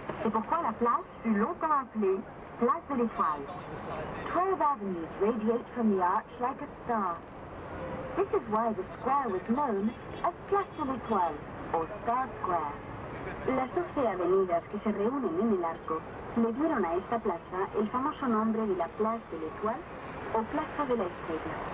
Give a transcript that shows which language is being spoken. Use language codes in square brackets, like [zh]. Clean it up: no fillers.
[fr] C'est pourquoi la place fut longtemps appelée Place de l'Étoile. [en] 12 avenues radiate from the arch like a star. This is why the square was known as Place de l'Étoile, or Star Square. [es] Las 12 avenidas que se reúnen en el arco le dieron a esta plaza el famoso nombre de la Place de l'Étoile, o Plaza de la Estrella.